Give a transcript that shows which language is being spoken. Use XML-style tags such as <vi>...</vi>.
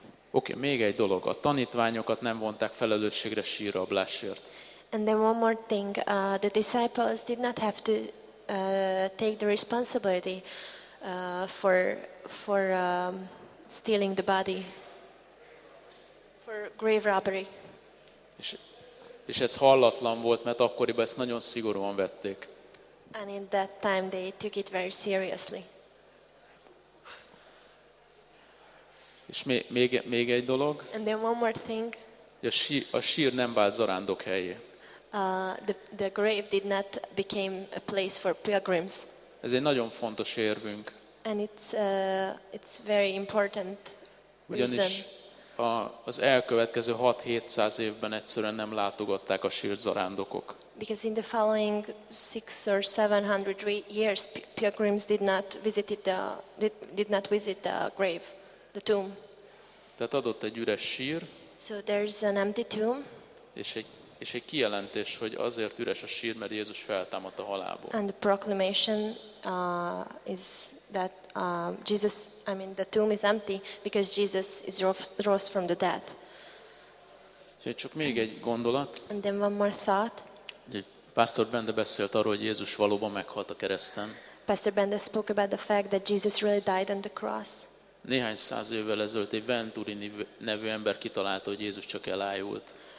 <hu>Oké, még egy dolog, a tanítványokat nem vonták felelősségre sírrablásért.</hu> <en>And then one more thing, the disciples did not have to take the responsibility for stealing the body, for grave robbery.</en> <hu>És ez hallatlan volt, mert akkoriban ezt nagyon szigorúan vették.</hu> <en>And in that time they took it very seriously.</en> <hu>És még egy dolog.</hu> <en>And then one more thing.</en> <hu>A sír nem vált zarándok helyé.</hu> <en>The grave did not became a place for pilgrims.</en> <hu>Ez egy nagyon fontos érvünk.</hu> <en>And it's very important.</en> <hu>Ugyanis az elkövetkező 6-700 évben egyszerűen nem látogatták a sírt zarándokok.</hu> <en>Because in the following 600 or 700 years pilgrims did not visit the grave, the tomb.</en> <hu>Tehát adott egy üres sír.</hu> <en>So there's an empty tomb.</en> <hu>És egy kijelentés, hogy azért üres a sír, mert Jézus feltámadt a halálból.</hu> <en>And the proclamation is that Jesus, I mean the tomb is empty because Jesus is rose from the dead.</en> <hu>És csak még egy gondolat.</hu> <en>And then one more thought.</en> <hu>Pásztor Bende beszélt arról, hogy Jézus valóban meghalt a kereszten.</hu> <en>Pastor Bende spoke about the fact that Jesus really died on the cross.</en> <hu>Néhány száz évvel ezelőtt egy Venturi nevű ember kitalálta, hogy Jézus csak elájult.</hu>